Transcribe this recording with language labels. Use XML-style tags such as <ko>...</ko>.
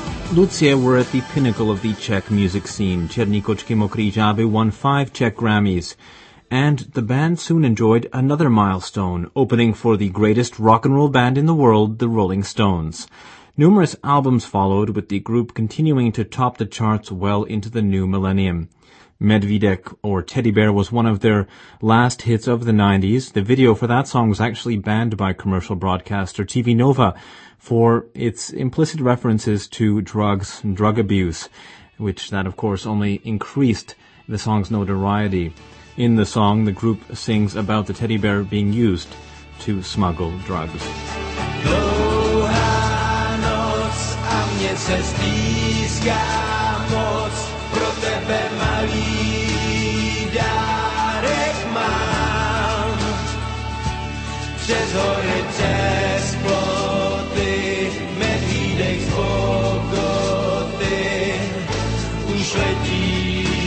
<en>Lucie were at the pinnacle of the Czech music scene. Černí kočky mokrý žáby won 5 Czech Grammys. And the band soon enjoyed another milestone, opening for the greatest rock and roll band in the world, the Rolling Stones. Numerous albums followed, with the group continuing to top the charts well into the new millennium. Medvídek or Teddy Bear was one of their last hits of the 90s. The video for that song was actually banned by commercial broadcaster TV Nova for its implicit references to drugs and drug abuse, which that, of course, only increased the song's notoriety. In the song, the group sings about the teddy bear being used to smuggle drugs.</en> <cs>Dlouhá noc a mě se stýská moc, pro tebe malý dárek mám. Přes hory, přes ploty, medvídek z Bogoty, už letí.</cs>